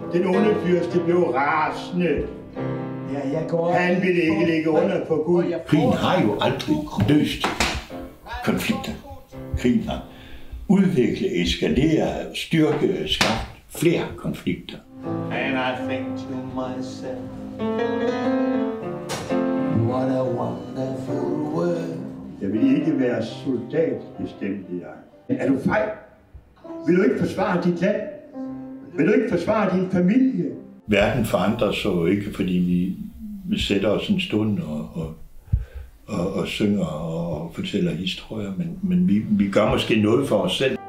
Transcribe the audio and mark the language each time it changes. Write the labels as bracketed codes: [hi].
[da] Den onde fyrste blev rasende. Ja, jeg går. Han ville ikke ligge under for Gud. Krigen har jo aldrig løst konflikter. Krigen har udviklet, eskaleret, styrket og skabt flere konflikter. [en] And I think to myself, what a wonderful world. [da] Jeg vil ikke være soldat, bestemte jeg. Er du fejl? Vil du ikke forsvare dit land? Vil du ikke forsvare din familie? Verden forandrer sig jo ikke, fordi vi sætter os en stund og synger og fortæller historier, men vi gør måske noget for os selv.